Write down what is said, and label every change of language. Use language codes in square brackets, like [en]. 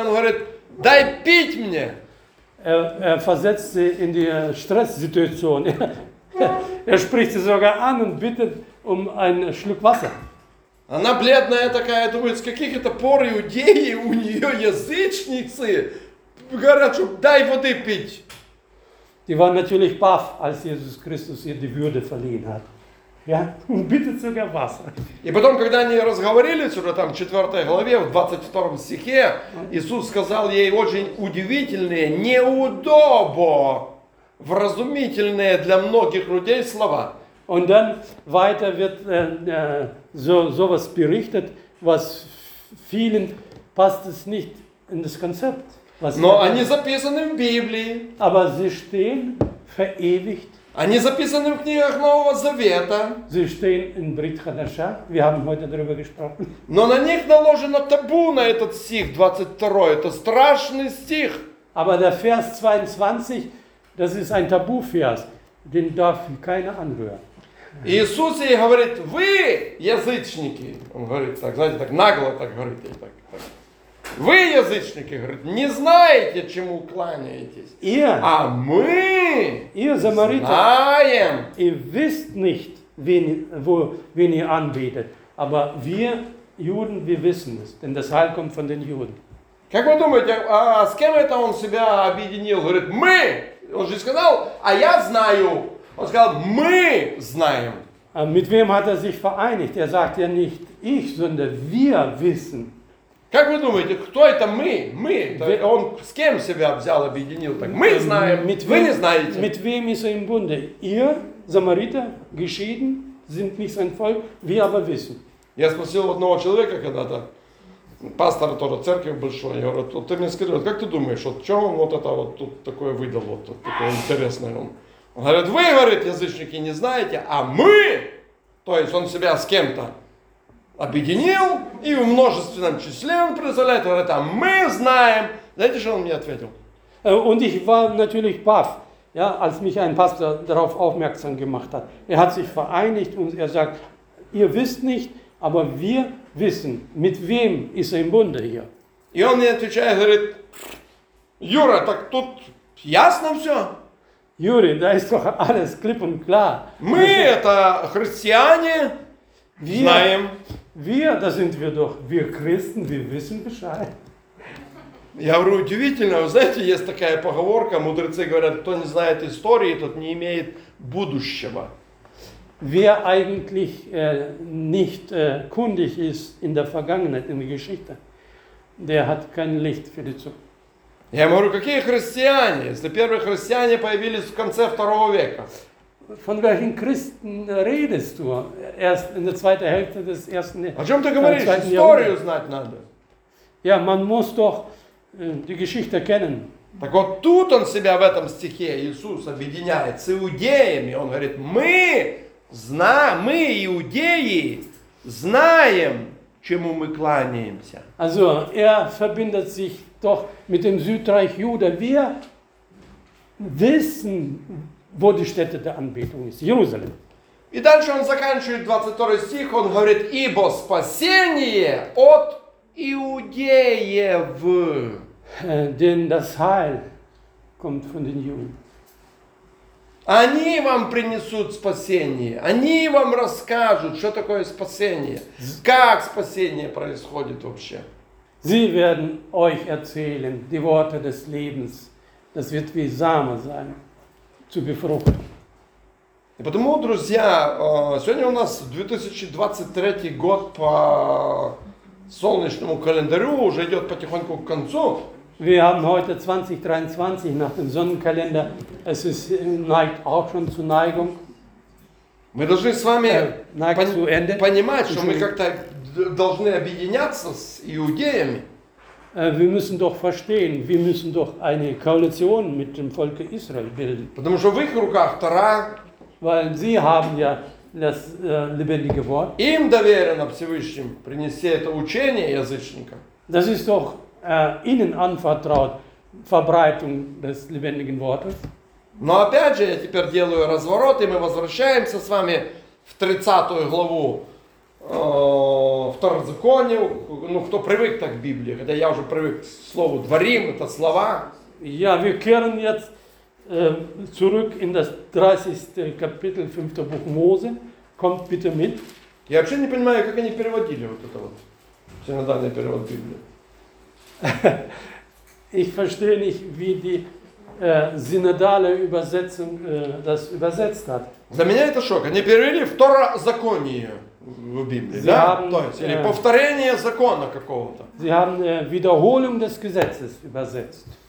[ru] Он говорит, дай пить мне. [de] Er versetzt sie in die Stresssituation. spricht sie sogar an und bittet einen Schluck Wasser. [ru] Она бледная такая, думает, с каких это пор иудеи у нее язычницы? Говорят, что дай воды пить. [de] Die waren natürlich baff, als Jesus Christus ihr die Würde verliehen hat. [ru] Я убитый сука вас. И потом, когда они разговорились уже там в 4 главе, в 22 стихе, Иисус сказал ей очень удивительные, неудобо вразумительные для многих людей слова. [de] Und dann weiter wird so sowas berichtet, was vielen passt es nicht in das Konzept. [ru] Но они записаны в Библии. [de] Aber sie stehen verewigt. [ru] Они записаны в книгах Нового Завета. [de] Sie stehen in Brit Chadasha. Wir haben heute darüber gesprochen. [ru] Но на них наложено табу на этот стих 22. Это страшный стих. [de] Aber der Vers 22, das ist ein Tabu-Vers. Den darf keiner anrühren. [ru] Иисус ей говорит, вы язычники, он говорит так, знаете, так нагло так говорит, так. Вы язычники, говорит, не знаете, чему кланяетесь. А мы знаем. И [de] wisst nicht, wen ihr anbetet, aber wir Juden, wir wissen es, denn das Heil kommt von den Juden. [ru] Как вы думаете, а с кем это он себя объединил? Говорит, мы. Он же сказал, а я знаю. Он сказал, мы знаем. А [de] mit wem hat er sich vereinigt? Er sagt ja nicht ich, sondern wir wissen. [ru] Как вы думаете, кто это мы? Мы. Он с кем себя взял, объединил? Так, мы знаем, [de] mit [ru] вы не знаете. [de] Mit wem ist er im Bunde? Ihr, Samariter, geschieden, sind nicht sein Volk, wir aber wissen. [ru] Я спросил одного человека когда-то, пастора тоже, церкви большой, я говорю, ты мне скажи, как ты думаешь, вот, что он вот это вот тут такое выдал, вот такое интересное он? Он говорит, вы, говорит, язычники, не знаете, а мы, то есть он себя с кем-то объединил, и в множественном числе он представляет, говорит, а мы знаем. Знаете, что он мне ответил? [de] Und ich war natürlich baff, ja, als mich ein Pastor darauf aufmerksam gemacht hat. Er hat sich vereinigt und er sagt, ihr wisst nicht, aber wir wissen, mit wem ist er im Bunde hier. [ru] И он мне отвечает, говорит, Юра, так тут ясно все? [de] Юрий, [ru] да, [de] ist doch alles klipp und klar. [ru] Мы, это христиане, знаем. [de] Wir, [ru] да [de] sind wir doch, wir Christen, wir wissen Bescheid. [ru] Я говорю, удивительно, вы знаете, есть такая поговорка, мудрецы говорят, кто не знает истории, тот не имеет будущего. [de] Wer eigentlich nicht kundig ist in der Vergangenheit, in der Geschichte, der hat kein Licht für die Zukunft. [ru] Я говорю, какие христиане, если первые христиане появились в конце второго века? [de] Von welchen Christen redest du? Erst in der zweiten Hälfte des ersten Jahrhunderts. [ru] О чем ты говоришь? Историю знать надо. [de] Ja, man muss doch die Geschichte kennen. [ru] Так вот тут он себя в этом стихе, Иисус, объединяет с иудеями. Он говорит, мы, иудеи, знаем, чему мы кланяемся. [de] Also, er verbindet sich doch mit dem Südreich Juda. Wir wissen, wo die Stätte der Anbetung ist. Jerusalem. [ru] И дальше он заканчивает 22 стих, он говорит, ибо спасение от иудеев. [de] Denn das Heil kommt von den Juden. [ru] Они вам принесут спасение, они вам расскажут, что такое спасение, как спасение происходит вообще. [de] Sie werden euch erzählen, die Worte des Lebens, das wird wie Same sein, zu befruchten. [ru] И потому, друзья, сегодня у нас 2023 год по солнечному календарю уже идет потихоньку к концу. [de] Wir haben heute 2023 nach dem Sonnenkalender. Es ist neigt auch schon zur Neigung. [ru] Мы должны с вами понимать, что мы как-то должны объединяться с иудеями. [de] Wir müssen doch verstehen, wir müssen doch eine Koalition mit dem Volk Israel bilden. [ru] Потому что в их руках Тора. [de] Weil sie haben ja das lebendige Wort. [ru] Им доверено Всевышним принести это учение язычникам. [de] Das ist doch ihnen anvertraut, Verbreitung des lebendigen Wortes. [ru] Но опять же, я теперь делаю разворот, и мы возвращаемся с вами в 30 главу Второзакония. Ну, кто привык так к Библии, хотя я уже привык к слову «дворим», это слова. [de] Ja, wir kehren jetzt zurück in das 30. Kapitel 5. Buch Mose. Kommt bitte mit. [ru] Я вообще не понимаю, как они переводили вот это вот, синодальный перевод Библии. [de] Ich verstehe nicht, wie die [ru] синодальная [de] Übersetzung das übersetzt hat. [ru] Для меня это шок. Они перевели второзаконие в Библии, [de] sie [ru] да? [de] Haben, [ru] то есть, или повторение закона какого-то. [de] Sie haben Wiederholung des Gesetzes übersetzt.